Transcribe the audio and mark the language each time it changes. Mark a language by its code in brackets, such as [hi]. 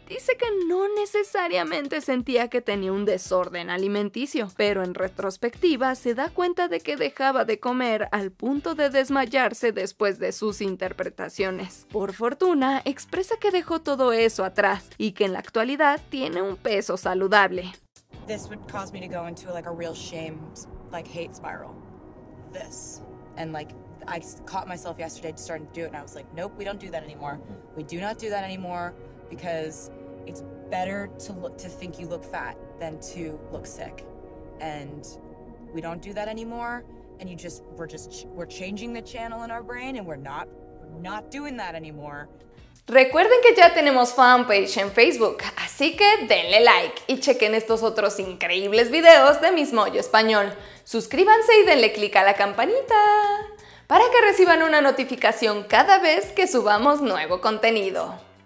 [es] Dice que no necesariamente sentía que tenía un desorden alimenticio, pero en retrospectiva se da cuenta de que dejaba de comer al punto de desmayarse después de sus interpretaciones. Por fortuna, expresa que dejó todo eso atrás y que en la actualidad tiene un peso saludable. [en] This would cause me to go into like a real shame, like hate spiral. This. And like, I caught myself yesterday starting to do it, and I was like, nope, we don't do that anymore. We do not do that anymore, because it's better to look, to think you look fat than to look sick. And we don't do that anymore. And you just, we're changing the channel in our brain, and we're not doing that anymore. [es] Recuerden que ya tenemos fanpage en Facebook, así que denle like y chequen estos otros increíbles videos de Miss Moyo Español. Suscríbanse y denle click a la campanita para que reciban una notificación cada vez que subamos nuevo contenido.